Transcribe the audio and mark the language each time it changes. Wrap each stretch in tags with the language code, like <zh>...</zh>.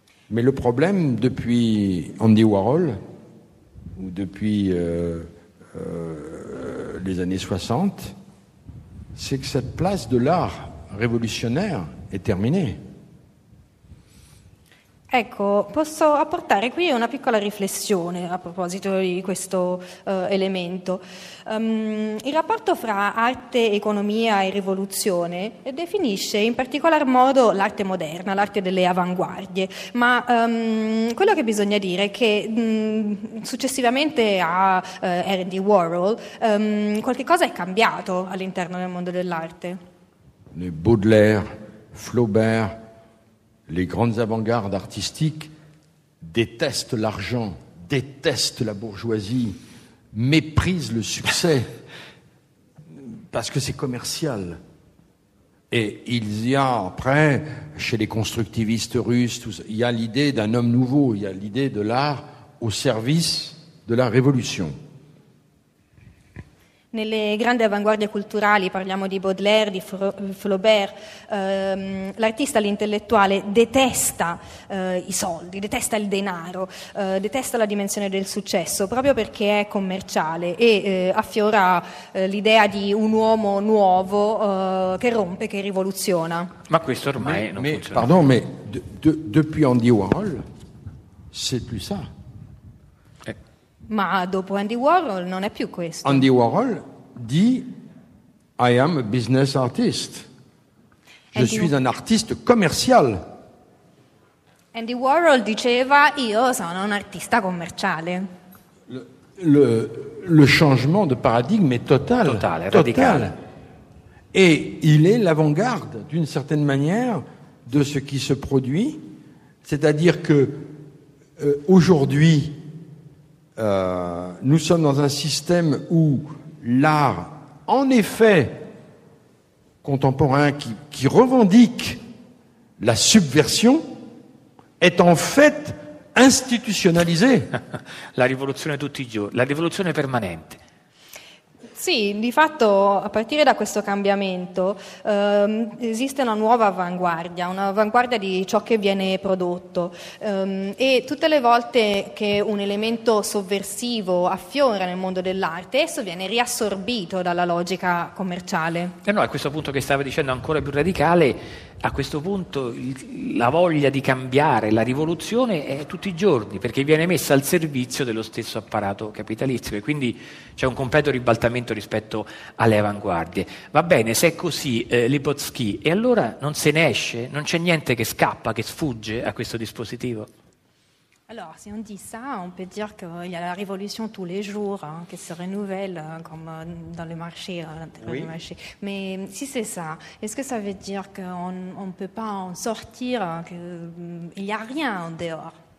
<fr>Mais le problème, depuis Andy Warhol, ou depuis les années 60, c'est que cette place de l'art révolutionnaire est terminée.</fr> <it>Ecco, posso apportare qui una piccola riflessione a proposito di questo elemento. Il rapporto fra arte, economia e rivoluzione definisce in particolar modo l'arte moderna, l'arte delle avanguardie, ma quello che bisogna dire è che successivamente a Andy Warhol qualche cosa è cambiato all'interno del mondo dell'arte.</it> <fr>Le Baudelaire, Flaubert, les grandes avant-gardes artistiques détestent l'argent, détestent la bourgeoisie, méprisent le succès, parce que c'est commercial. Et il y a, après, chez les constructivistes russes, tout ça, il y a l'idée d'un homme nouveau, il y a l'idée de l'art au service de la révolution.</fr> <it>Nelle grandi avanguardie culturali, parliamo di Baudelaire, di Flaubert, l'artista, l'intellettuale detesta i soldi, detesta il denaro, detesta la dimensione del successo, proprio perché è commerciale e affiora l'idea di un uomo nuovo che rompe, che rivoluziona. Ma questo ormai non funziona.</it> <fr>Pardon, mais depuis Andy Warhol, c'est plus ça.</fr> <it>Ma dopo Andy Warhol non è più questo.</it> <en>Andy Warhol</en> <fr>dit</fr> <en>I am a business artist.</en> <fr>Je suis un artiste commercial.</fr> <it>Andy Warhol diceva io sono un artista commerciale.</it> <fr>Le changement de paradigme est total.</fr> <it>Totale, radicale.</it> <fr>Et il est l'avant-garde d'une certaine manière de ce qui se produit, c'est-à-dire que aujourd'hui nous sommes dans un système où l'art, en effet, contemporain, qui revendique la subversion, est en fait institutionnalisé.</fr> <it>La rivoluzione tutti i giorni, la rivoluzione permanente. Sì, di fatto a partire da questo cambiamento esiste una nuova avanguardia, una avanguardia di ciò che viene prodotto e tutte le volte che un elemento sovversivo affiora nel mondo dell'arte, esso viene riassorbito dalla logica commerciale. E no, a questo punto che stavi dicendo ancora più radicale, a questo punto la voglia di cambiare, la rivoluzione è tutti i giorni, perché viene messa al servizio dello stesso apparato capitalistico e quindi c'è un completo ribaltamento rispetto alle avanguardie. Va bene, se è così, Lipotsky, e allora non se ne esce? Non c'è niente che scappa, che sfugge a questo dispositivo?</it> <fr>Alors, si on dit ça, on peut dire qu'il y a la révolution tous les jours, hein, qui se renouvelle comme dans le marché, à l'intérieur du marché. Mais si c'est ça, est-ce que ça veut dire qu'on ne peut pas en sortir, qu'il n'y a rien en dehors?</fr>